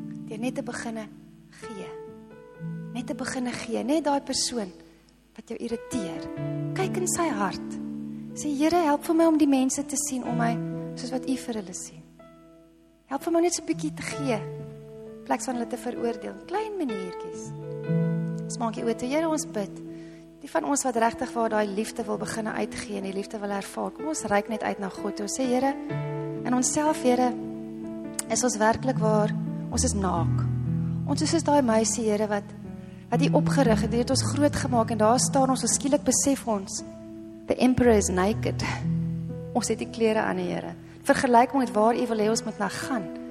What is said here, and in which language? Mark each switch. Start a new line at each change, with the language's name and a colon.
Afrikaans: Deur net te beginne gee. Net te beginne gee. Net daai persoon wat jou irriteer. Kyk in sy hart. Sê, Here, help vir my om die mense te sien om my, soos wat u vir hulle sien. Help vir my net so 'n bietjie te gee. In plaas van hulle te veroordeel. Klein maniertjies. Ons maak die oë toe, Here, ons bid. Die van ons wat regtig waar daai liefde wil beginne uitgee en die liefde wil ervaar. Kom ons reik net uit na God. Ons sê, Here, in onsself, Here, is ons werklik waar, ons is naak. Ons is soos daai meisie, Here, wat die opgerig het, die het ons groot gemaak en daar staan ons, skielik besef ons,
English: the emperor is naked.
Afrikaans: Ons het die klere aan, Here. Vergelyk met waar u wil hê ons moet na gaan.